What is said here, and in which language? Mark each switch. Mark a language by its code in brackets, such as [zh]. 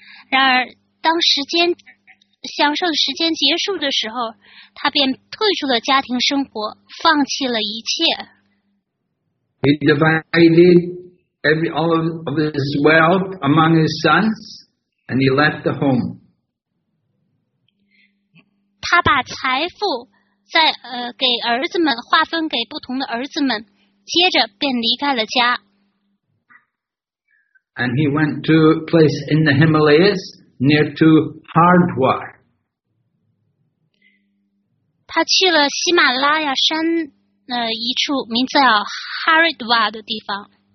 [zh] 然而，当时间享受的时间结束的时候，他便退出了家庭生活，放弃了一切。 [en] He divided all of his wealth among his sons, and he left the home. [zh] 他把财富在给儿子们划分给不同的儿子们，接着便离开了家。 [en] And he went to a place in the Himalayas near to Hardwar. [zh] 他去了喜马拉雅山。一处名字叫 Haridwar 的地方。